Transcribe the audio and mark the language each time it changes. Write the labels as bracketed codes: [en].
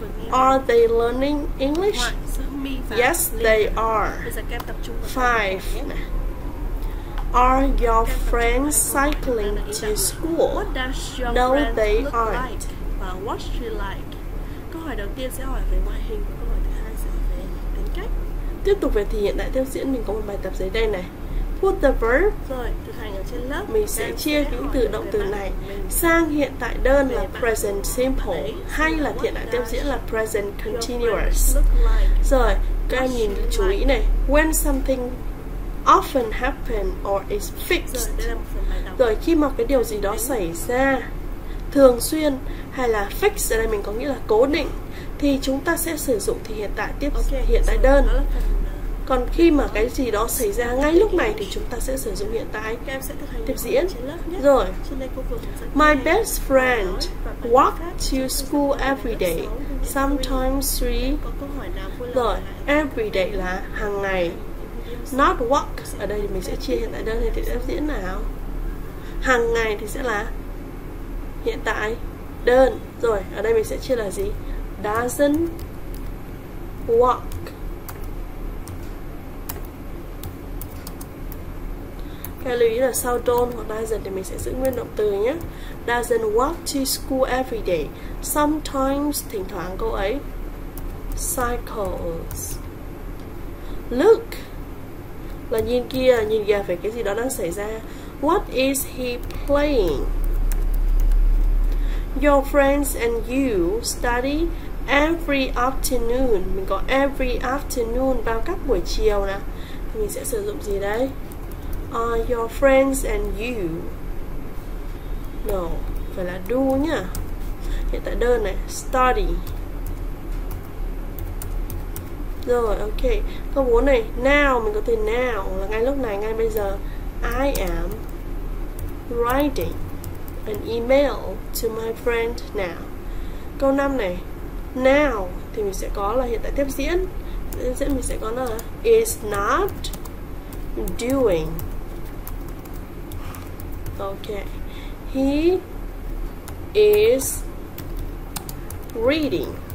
[en] Are they learning English? Yes, they are. 5. Are your friends cycling to school? No, they aren't. What's she like? [vi] Câu hỏi đầu tiên sẽ hỏi về ngoại hình, câu hỏi thứ hai sẽ về tính cách. Tiếp tục về thì hiện tại theo diễn mình có một bài tập dưới đây này. [en] Put the verb. [vi] Rồi, thực hành ở trên lớp. Mình sẽ chia những từ động từ này sang hiện tại đơn là present simple hay là hiện tại tiếp diễn là present continuous. Rồi, các em nhìn chú ý này. [en] When something often happen or is fixed. [vi] Rồi, khi mà cái điều gì đó xảy ra thường xuyên hay là fixed, ở đây mình có nghĩa là cố định, thì chúng ta sẽ sử dụng thì hiện tại tiếp hiện tại đơn. Còn khi mà cái gì đó xảy ra ngay lúc này thì chúng ta sẽ sử dụng hiện tại tiếp diễn. Rồi, [en] my best friend walks to school every day, sometimes three. [vi] Rồi, every day là hàng ngày. [en] Not walk, [vi] ở đây mình sẽ chia hiện tại đơn thì tiếp diễn nào. Hàng ngày thì sẽ là hiện tại đơn. Rồi, ở đây mình sẽ chia là gì? [en] Doesn't walk. [vi] Các lưu ý là sau don't hoặc doesn't thì mình sẽ giữ nguyên động từ nhé. [en] Doesn't walk to school every day. Sometimes, [vi] thỉnh thoảng cô ấy cycles. Look là nhìn kia về cái gì đó đang xảy ra. [en] What is he playing? Your friends and you study every afternoon. [vi] Mình có every afternoon vào các buổi chiều nè. Thì mình sẽ sử dụng gì đấy? [en] Your friends and you. No, [vi] phải là do nhá. Hiện tại đơn này, study. Rồi, ok. Câu 4 này, now, mình có từ now là ngay lúc này, ngay bây giờ. [en] I am writing an email to my friend now. [vi] Câu 5 này, now thì mình sẽ có là hiện tại tiếp diễn. Tiếp diễn mình sẽ có là is not doing. [en] Ok. He is reading.